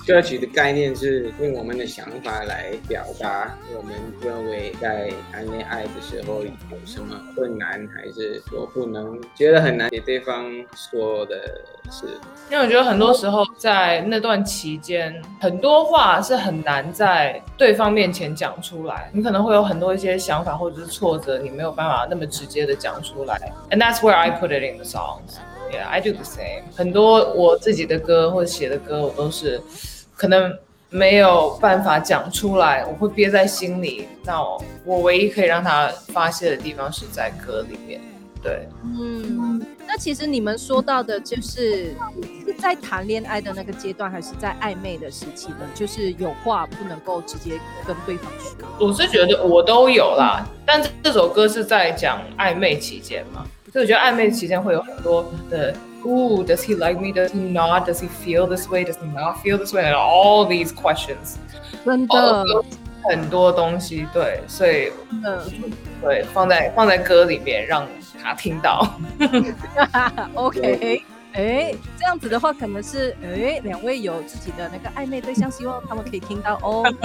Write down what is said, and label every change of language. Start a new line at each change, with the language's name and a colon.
Chinese: 歌曲的概念是用我们的想法来表达我们认为在谈恋爱的时候有什么困难，还是说不能觉得很难给对方说的事。因为我觉得很多时候在那段期间，很多话是很难在对方面前讲出来，你可能会有很多一些想法或者是挫折，你没有办法那么直接的讲出来。
English: And that's where I put it in the songs. Yeah, I do the same.
Chinese: 很多我自己的歌或者写的歌，我都是可能没有办法讲出来，我会憋在心里，那 我唯一可以让它发泄的地方是在歌里面。对，那其实你们说到的就是在谈恋爱的那个阶段，还是在暧昧的时期呢？就是有话不能够直接跟对方说。我是觉得我都有啦，但这首歌是在讲暧昧期间嘛，所以我觉得暧昧期间会有很多的
English: Ooh, does he like me? Does he not? Does he feel this way? Does he not feel this way? And all these questions.
Chinese: 真的很多东西，对，所以对放在歌里面让他听到。
English: OK。
Chinese: 哎，这样子的话，可能是哎，两位有自己的那个暧昧对象，希望他们可以听到哦。